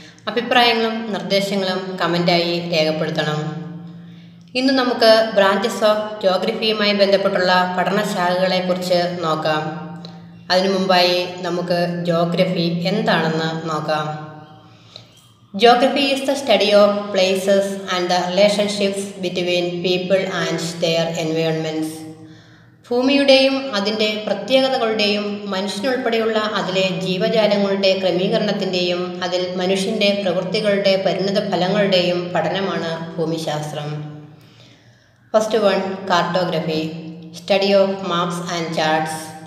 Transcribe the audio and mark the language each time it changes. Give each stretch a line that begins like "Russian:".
Malayalam: അഭിപ്രായങ്ങളും നിർദ്ദേശങ്ങളും കമൻ്റായി രേഖപ്പെടുത്തണം. ഇന്ന് നമുക്ക് ബ്രാഞ്ചസ് ഓഫ് ജോഗ്രഫിയുമായി ബന്ധപ്പെട്ടുള്ള പഠനശാഖകളെക്കുറിച്ച് നോക്കാം. അതിനു മുമ്പായി നമുക്ക് ജോഗ്രഫി എന്താണെന്ന് നോക്കാം.
English: Geography is the study of places and the relationships between people and their environments.
Malayalam: ഭൂമിയുടെയും അതിൻ്റെ പ്രത്യേകതകളുടെയും മനുഷ്യനുൾപ്പെടെയുള്ള അതിലെ ജീവജാലങ്ങളുടെ ക്രമീകരണത്തിൻ്റെയും അതിൽ മനുഷ്യൻ്റെ പ്രവൃത്തികളുടെ പരിണിത ഫലങ്ങളുടെയും പഠനമാണ് ഭൂമിശാസ്ത്രം.
English: First one, cartography, study of maps and charts.